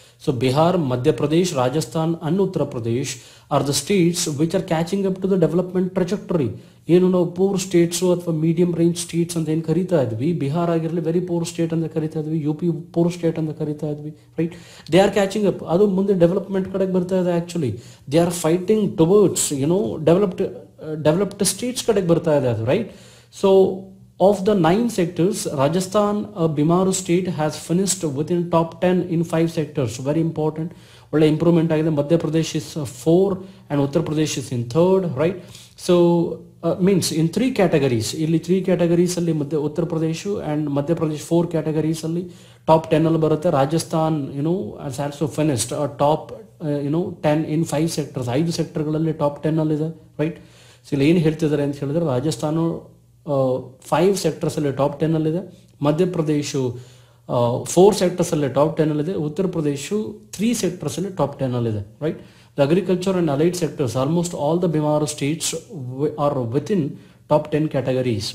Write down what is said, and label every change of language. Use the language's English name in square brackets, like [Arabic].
[English] So Bihar, Madhya Pradesh, Rajasthan and Uttar Pradesh are the states which are catching up to the development trajectory. [Kannada] ಏನು ನಾವು poor States ಅಥವಾ medium range States ಅಂತ ಏನು ಕರಿತಾ ಇದ್ವಿ, ಬಿಹಾರ್ ಆಗಿರಲಿ ವೆರಿ ಪೂರ್ ಸ್ಟೇಟ್ ಅಂತ ಕರಿತಾ ಇದ್ವಿ, ಯು ಪಿ ಪೂರ್ ಸ್ಟೇಟ್ ಅಂತ ಕರಿತಾ ಇದ್ವಿ, right? [English] they are catching up, [Kannada] ಅದು ಮುಂದೆ ಡೆವಲಪ್ಮೆಂಟ್ ಕಡೆಗೆ ಬರ್ತಾ ಇದೆ. [English] actually they are fighting towards you know developed states [Kannada] ಕಡೆಗೆ ಬರ್ತಾ ಇದೆ ಅದು, [English] Right? So of the 9 sectors Rajasthan BIMARU state has finished with in top 10 in 5 sectors. Very important, [Kannada] ಒಳ್ಳೆ ಇಂಪ್ರೂವ್ಮೆಂಟ್ ಆಗಿದೆ. [English] Madhya Pradesh is 4 and Uttar Pradesh is in 3rd, right? So means in 3 categories, ಇಲ್ಲಿ 3 categories ಅಲ್ಲಿ Uttar Pradesh and Madhya Pradesh 4 categories ಅಲ್ಲಿ top 10 ಅಲ್ಲಿ ಬರುತ್ತೆ. Rajasthan you know has also finished top you know 10 in 5 sectors, [Kannada] 5 ಸೆಕ್ಟರ್ಗಳಲ್ಲಿ top 10 ಅಲ್ಲಿದೆ, [English] Right? [Kannada] So ಇಲ್ಲಿ ಏನು ಹೇಳ್ತಿದ್ದಾರೆ ಅಂತ ಹೇಳಿದ್ರೆ, ರಾಜಸ್ಥಾನ 5 ಸೆಕ್ಟರ್ಸ್ ಅಲ್ಲಿ ಟಾಪ್ 10 ಅಲ್ಲಿದೆ, ಮಧ್ಯಪ್ರದೇಶ 4 ಸೆಕ್ಟರ್ಸ್ ಅಲ್ಲಿ ಟಾಪ್ 10 ಅಲ್ಲಿದೆ, ಉತ್ತರ ಪ್ರದೇಶ 3 ಸೆಕ್ಟರ್ಸ್ ಅಲ್ಲಿ ಟಾಪ್ 10 ಅಲ್ಲಿದೆ, right? [English] The agriculture and allied sectors, almost all the Bimaru states are within top 10 categories.